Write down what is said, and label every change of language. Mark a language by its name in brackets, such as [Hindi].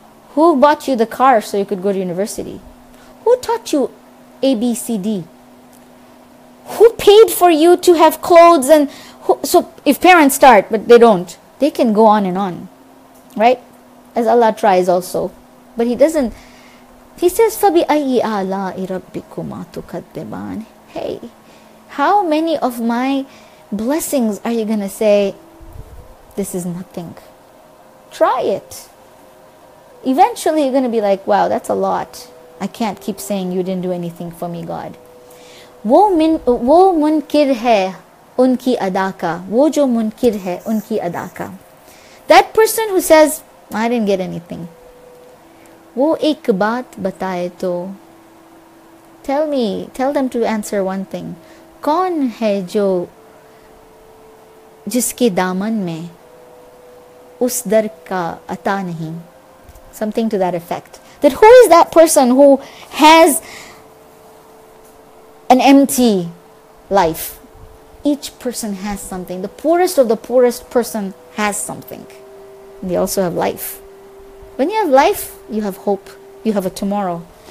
[English] Who bought you the car so you could go to university? Who taught you A, B, C, D? Who paid for you to have clothes? And who? So if parents start, but they don't, they can go on and on, right? As Allah tries also. But He doesn't. He says, [Arabic] فَبِأَيِّ آلَاءِ رَبِّكُمَا تُكَذِّبَانِ. [English] Hey, how many of my blessings are you going to say, this is nothing? Try it. Eventually you're going to be like, wow, that's a lot. I can't keep saying you didn't do anything for me, God. [Urdu] وہ منکر ہے ان کی ادا کا. وہ جو منکر ہے ان کی ادا کا. [English] That person who says, I didn't get anything. [Urdu] وہ ایک بات بتائے تو. [English] Tell them to answer one thing. [Urdu] کون ہے جو جس کے دامن میں اس در کا عطا نہیں. [English] Something to that effect. That who is that person who has an empty life? Each person has something. The poorest of the poorest person has something. And they also have life. When you have life, you have hope. You have a tomorrow.